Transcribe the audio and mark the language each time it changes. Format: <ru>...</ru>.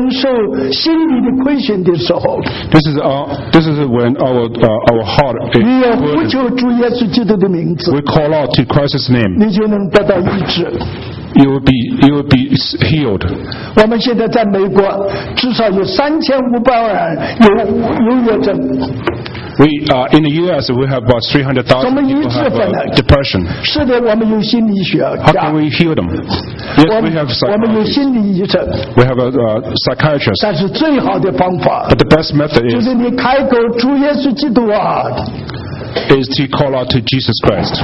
<zh>这就是当我们身心灵受心里的亏损的时候。</zh> <en>This is when our heart is burdened.</en> <zh>你要呼求主耶稣基督的名字。</zh> <en>Call out to Christ's name.</en> <zh>你就能得到医治。</zh> <en>You will be healed.</en> <zh>我们现在在美国, 至少有3500万人有忧郁症。</zh> <en>In the U.S., we have about 300,000 people have depression.</en> <zh>是的,</zh> <en>How can we heal them? Yes, we have psychologists. We have a psychiatrist.</en> <zh>但是最好的方法,</zh> <en>but the best method is</en> <zh>就是你开口主耶稣基督啊,</zh> <en>is to call out to Jesus Christ.</en>